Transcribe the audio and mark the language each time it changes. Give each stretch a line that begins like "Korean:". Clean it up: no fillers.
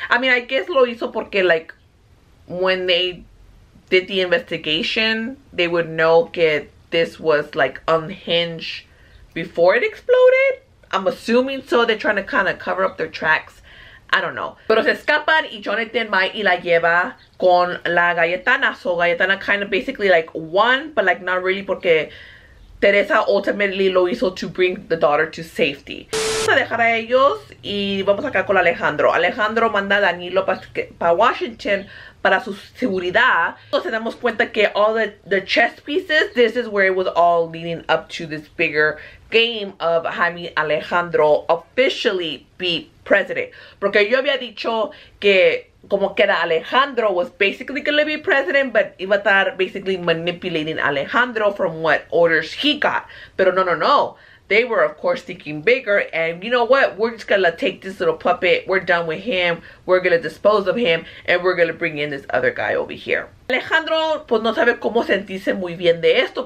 English: I mean, I guess lo hizo porque, like, when they did the investigation, they would know que this was, like, unhinged before it exploded. I'm assuming so. They're trying to kind of cover up their tracks. I don't know.
Spanish: Pero se escapan y Jonathan va y la lleva con la Galletana.
English: So Galletana kind of basically like won, but like not really porque Teresa ultimately lo hizo to bring the daughter to safety.
Spanish: Vamos a dejar a ellos y vamos acá con Alejandro. Alejandro manda a Danilo para Washington para su seguridad.
English: Entonces damos cuenta que all the chess pieces, this is where it was all leading up to this bigger game of Jaime Alejandro officially beat president.
Spanish: Porque yo había dicho que como que era Alejandro was basically gonna be president, but iba a estar basically manipulating Alejandro from what orders he got. Pero no.
English: They were, of course, thinking bigger. And you know what? We're just gonna take this little puppet. We're done with him. We're gonna dispose of him. And we're gonna bring in this other guy over here.
Spanish: Alejandro, pues, no sabe cómo sentirse muy bien de esto.